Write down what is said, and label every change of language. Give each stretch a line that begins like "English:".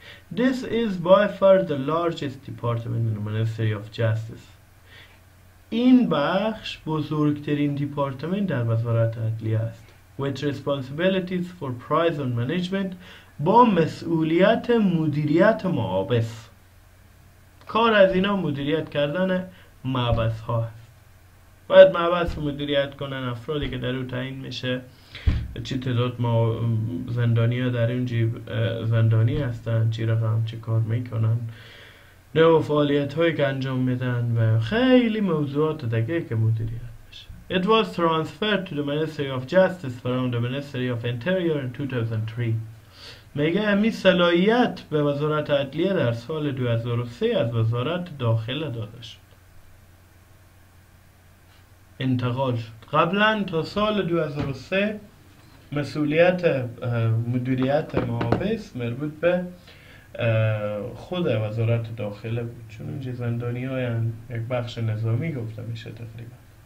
English: This is by far the largest department in the Ministry of Justice.
Persian: این بخش بزرگترین دپارتمنت در وزارت عدلیه است.
English: With responsibilities for prison management،
Persian: با مسئولیت مدیریت محابس. کار از اینا مدیریت کردن محبس ها هست. باید محبس مدیریت کنن، افرادی که در اون تعیین میشه چی تعداد ما زندانی ها در اونجی زندانی هستن، چی رقم چی کار میکنن، نوع فعالیت هایی که انجام میدن و خیلی موضوعات دیگه که مدیریت میشه.
English: It was transferred to the Ministry of Justice from the Ministry of Interior in 2003.
Persian: میگه همی صلاحیت به وزارت عدلیه در سال 2003 از وزارت داخل داده شد، انتقال شد. قبلن تا سال 2003 مسئولیت مدیریت محابس مربوط به خود وزارت داخله بود، چون اونجا زندانی های یک بخش نظامی گفته میشه تقریبا.